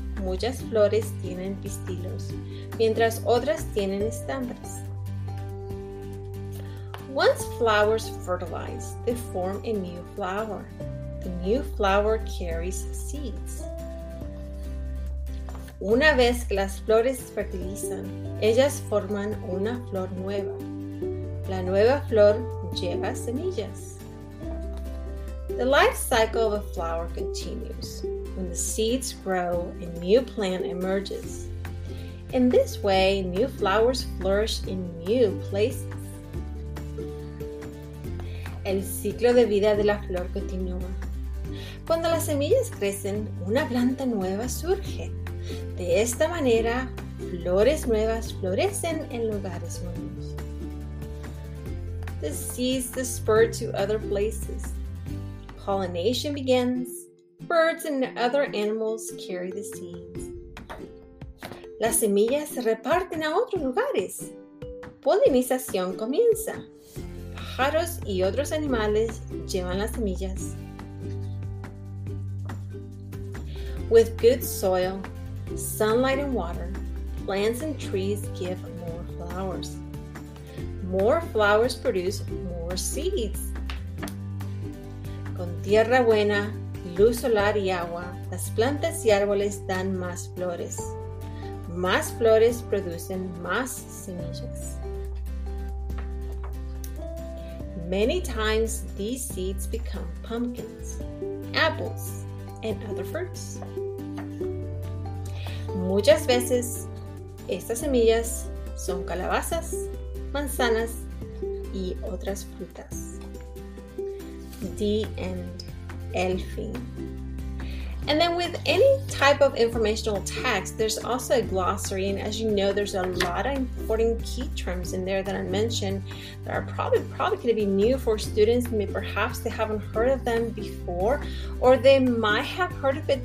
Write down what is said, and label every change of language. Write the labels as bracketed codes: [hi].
[es] Muchas flores tienen pistilos, mientras otras tienen estambres. [en] Once flowers fertilize, they form a new flower. The new flower carries seeds. [es] Una vez que las flores fertilizan, ellas forman una flor nueva. La nueva flor lleva semillas. [en] The life cycle of a flower continues when the seeds grow and new plant emerges. In this way, new flowers flourish in new places. [es] El ciclo de vida de la flor continúa. Cuando las semillas crecen, una planta nueva surge. De esta manera, flores nuevas florecen en lugares nuevos. [en] The seeds disperse to other places. Pollination begins. Birds and other animals carry the seeds. [es] Las semillas se reparten a otros lugares. Polinización comienza. Pájaros y otros animales llevan las semillas. [en] With good soil, sunlight and water, plants and trees give more flowers. More flowers produce more seeds. [es] Con tierra buena, luz solar y agua, las plantas y árboles dan más flores. Más flores producen más semillas. [en] Many times these seeds become pumpkins, apples, and other fruits. [es] Muchas veces estas semillas son calabazas, manzanas y otras frutas. [en] The end. [es] El fin. [en] And then with any type of informational text, there's also a glossary. And as you know, there's a lot of important key terms in there that I mentioned that are probably going to be new for students. Maybe perhaps they haven't heard of them before, or they might have heard of it.